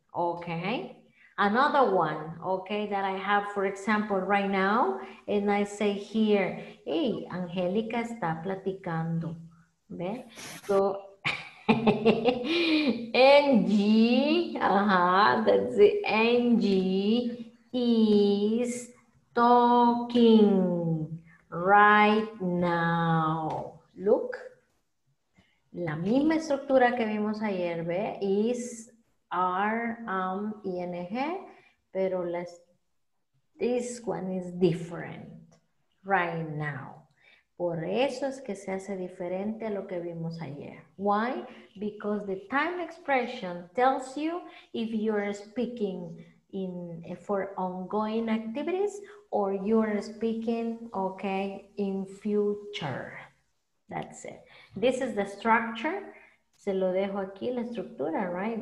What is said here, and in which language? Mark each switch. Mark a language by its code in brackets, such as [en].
[en] Okay. Another one, okay, that I have, for example, right now, and I say here, hey, [es] Angélica está platicando, ¿ve? [en] So, NG, that's it, NG is talking right now. [es] Look, la misma estructura que vimos ayer, ¿ve? [en] Is ing, pero this one is different right now. [es] Por eso es que se hace diferente a lo que vimos ayer. [en] Why? Because the time expression tells you if you're speaking in for ongoing activities or you're speaking, okay, in future. That's it. This is the structure. [es] Se lo dejo aquí, la estructura, [en] right?